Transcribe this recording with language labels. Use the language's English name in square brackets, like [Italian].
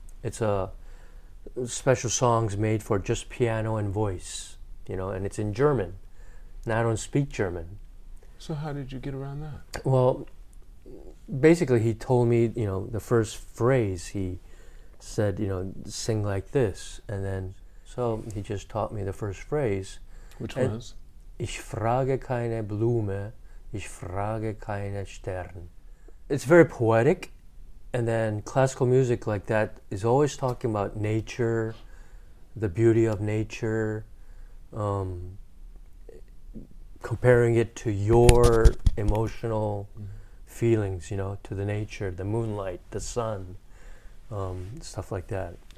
[English] It's a special songs made for just piano and voice, you know, and it's in German. And I don't speak German. So how did you get around that? Well, basically he told me, you know, the first phrase he said, you know, sing like this. And then, so he just taught me the first phrase. Which was? [German] Ich frage keine Blume, ich frage keine Stern. [English] It's very poetic. And then classical music like that is always talking about nature, the beauty of nature, comparing it to your emotional feelings, you know, to the nature, the moonlight, the sun, stuff like that.